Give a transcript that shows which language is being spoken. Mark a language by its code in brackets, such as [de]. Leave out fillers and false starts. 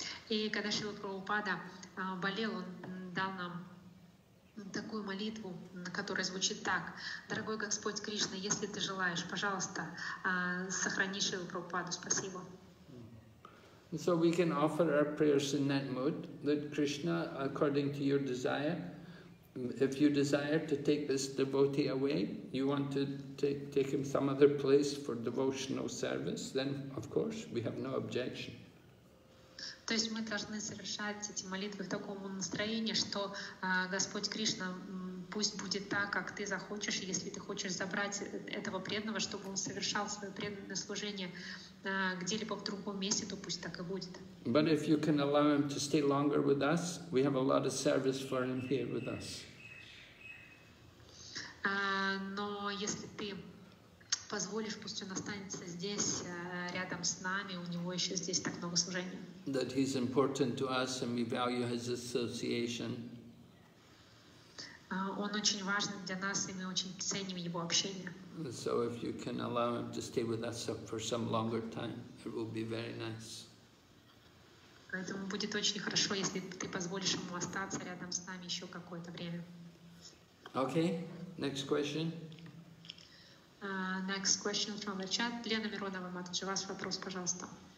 [ru] И когда Шрила Прабхупада болел, он дал нам такую молитву, которая звучит так. Дорогой Господь Кришна, если ты желаешь, пожалуйста, сохрани Шрилу Прабхупаду. Спасибо. [en] So we can offer our prayers in that mood, that Krishna, according to your desire, if you desire to take this devotee away, you want to take him some other place for devotional service, then of course we have no objection. [ru] То есть мы должны совершать эти молитвы в таком настроении, что Господь Кришна, пусть будет так, как ты захочешь, если ты хочешь забрать этого преданного, чтобы он совершал свое преданное служение где-либо в другом месте, то пусть так и будет. [en] But if you can allow him to stay longer with us, we have a lot of service for him here with us. [ru] Но если ты позволишь, пусть он останется здесь, рядом с нами, у него еще здесь так много служения. [en] That he's important to us and we value his association. [ru] Он очень важен для нас, и мы очень ценим его общение. [en] So if you can allow him to stay with us for some longer time, it will be very nice. [ru] Поэтому будет очень хорошо, если ты позволишь ему остаться рядом с нами еще какое-то время. [en] Okay, next question. Next question from the chat. [ru] Лена Миронова, Матаджи, ваш вопрос, пожалуйста.